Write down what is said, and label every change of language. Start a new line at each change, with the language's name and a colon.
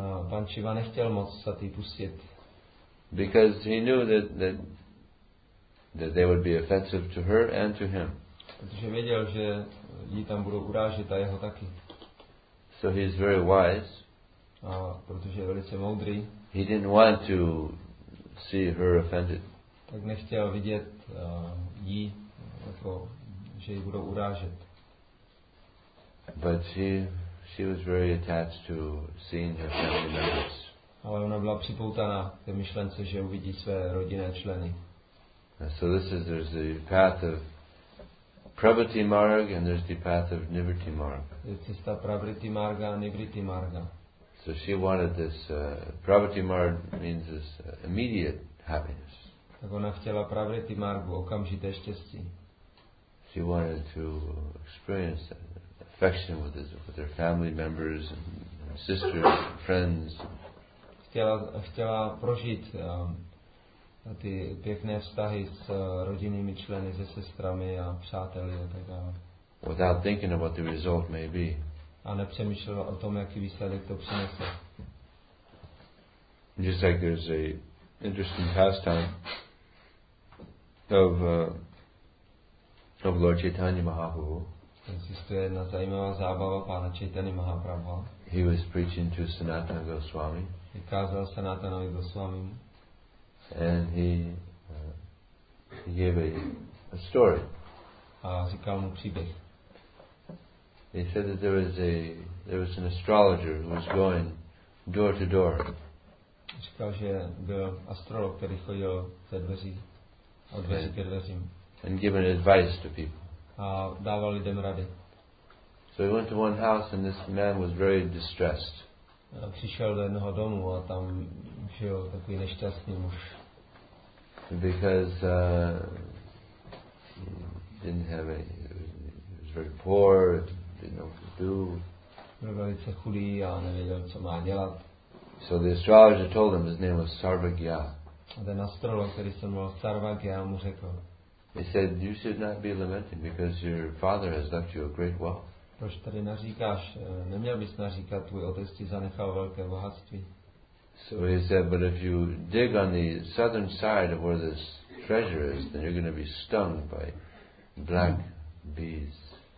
Czech: Pan Shiva nechtěl moc Sati pustit.
English: Because he knew that they would be offensive to her and to him.
Czech: Protože věděl, že jí tam budou urážet a jeho taky.
English: So he is very wise.
Czech: A protože je velice moudrý.
English: He didn't want to see her offended.
Czech: Tak nechtěl vidět jí, jako, že ji budou urážet.
English: But she was very attached to seeing her family members.
Czech: Ale ona byla připoutaná k myšlence, že uvidí své rodinné členy.
English: And so there's the path of Prabhuti Marg and there's the path of Nivritti Marg.
Czech: Je cesta Prabhuti Marga a Nivritti Marga.
English: So she wanted this Prabhuti Marg means this immediate happiness.
Czech: Tak ona chtěla Prabhuti Margu, okamžité štěstí.
English: She wanted to experience affection with her family members and sisters, friends.
Czech: Chtěla prožít ty pěkné vztahy s rodinnými členy, se sestrami a přáteli a tak dále.
English: Without thinking about the result may be.
Czech: A nepřemýšlela o tom, jaký výsledek to přinese.
English: Just like there's a interesting pastime of Lord Chaitanya Mahaprabhu.
Czech: Existuje jedna zajímavá zábava pána Chaitanya Mahaprabhu.
English: He was preaching to Sanatana Goswami.
Czech: Kázal Sanatanovi Goswami.
English: And he gave a story.
Czech: A říkal mu příběh.
English: He said that there was an astrologer who was going door to door.
Czech: Říkal, že byl astrolog, který chodil ze dveří od dveří ke dveřím.
English: And giving advice to people.
Czech: A dával lidem rady.
English: So he went to one house and this man was very distressed.
Czech: Přišel do jednoho domu a tam žil takový nešťastný muž.
English: Because he didn't have any, he was very poor, didn't know what to do.
Czech: Byl velice chudý a nevěděl, co má dělat.
English: So the astrologer told him his name was Sarvagya.
Czech: A ten astrolog, který se jmenoval Sarvagya, mu řekl.
English: He said, you should not be lamenting because your father has left you a great wealth.
Czech: Proč tady naříkáš? Neměl bys naříkat, tvůj otec ti zanechal velké bohatství.
English: So he said, but if you dig on the southern side of where this treasure is, then you're going to be stung by black bees.